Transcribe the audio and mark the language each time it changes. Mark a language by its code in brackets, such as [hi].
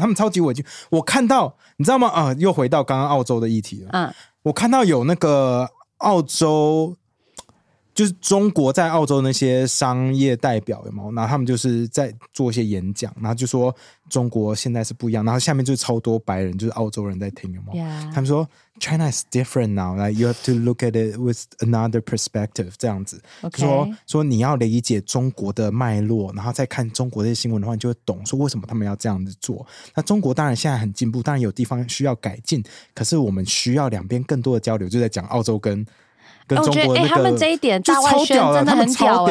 [zh] 他们超级伪军，我看到你知道吗？又回到刚刚澳洲的议题了。我看到有那个澳洲就是中国在澳洲那些商业代表有没有，然后他们就是在做一些演讲，然后就说中国现在是不一样，然后下面就超多白人，就是澳洲人在听有没有、 [en] yeah. [zh] 他们说 [en] China is different now, like you have to look at it with another perspective [zh] 这样子、 [en] okay. [zh] 说你要理解中国的脉络，然后再看中国的新闻的话，你就会懂说为什么他们要这样子做。那中国当然现在很进步，当然有地方需要改进，可是我们需要两边更多的交流，就在讲澳洲跟中国的那个、我觉得、他们这一点大外宣真的很屌、他们超